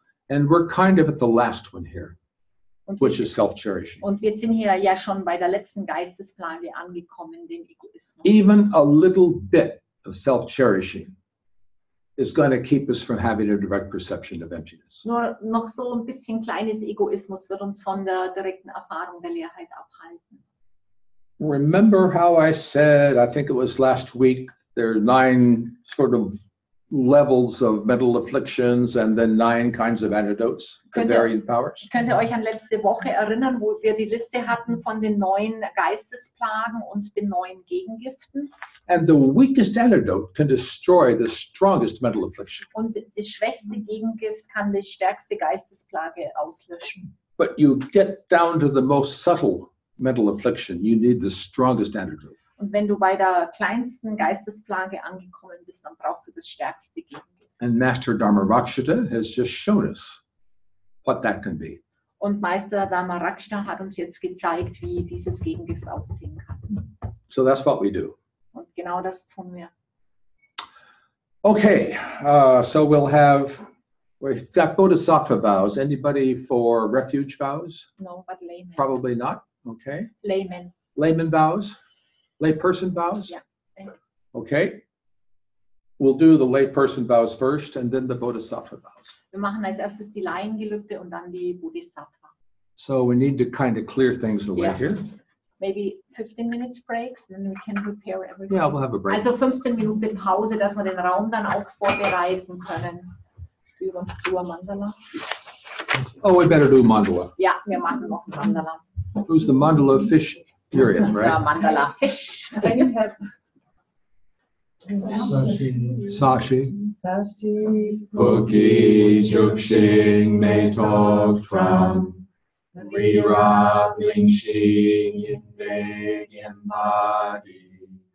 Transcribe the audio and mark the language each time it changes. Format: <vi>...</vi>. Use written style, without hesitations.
<en>And we're kind of at the last one here, which is self-cherishing.</en> <de>Und wir sind hier ja schon bei der letzten Geistesplage angekommen, dem Egoismus.</de> <en>Even a little bit of self-cherishing is going to keep us from having a direct perception of emptiness.</en> <de>Nur noch so ein bisschen kleines Egoismus wird uns von der direkten Erfahrung der Leerheit abhalten.</de> <en>Remember how I said, I think it was last week, there are 9 sort of levels of mental afflictions and then 9 kinds of antidotes to varying powers.</en> <de>Könnt ihr euch an letzte Woche erinnern, wo wir die Liste hatten von den 9 Geistesplagen und den 9 Gegengiften?</de> <en>And the weakest antidote can destroy the strongest mental affliction.</en> <de>Und das schwächste Gegengift kann die stärkste Geistesplage auslöschen.</de> <en>But you get down to the most subtle mental affliction, you need the strongest antidote.</en> <de>Und wenn du bei der kleinsten Geistesplage angekommen bist, dann brauchst du das stärkste Gegengift.</de> <en>And Master Dharmarakshita has just shown us what that can be.</en> <de>Und Meister Dharmarakshita hat uns jetzt gezeigt, wie dieses Gegengift aussehen kann.</de> <en>So that's what we do.</en> <de>Und genau das tun wir.</de> <en>Okay, so we've got Bodhisattva vows. Anybody for refuge vows? No, but laymen. Probably not. Okay. Laymen. Laymen vows. Layperson vows? Yeah. Okay. We'll do the layperson vows first and then the bodhisattva vows.</en> <de>Wir machen als erstes die Laiengelübde und dann die Bodhisattva.</de> <en>So we need to kind of clear things away here. Maybe 15 minutes breaks and then we can prepare everything. Yeah, we'll have a break.</en> <de>Also 15 Minuten Pause, dass wir den Raum dann auch vorbereiten können über Mandala.</de> <en>Oh, we better do Mandala.</en> <de>Ja, wir machen noch Mandala.</de> <en>Who's the Mandala official? Period, right? Mandala fish. Sashi. Sashi. Sashi. Puki Chukshing Metok Tram. We rattling sheen in big and body.</en>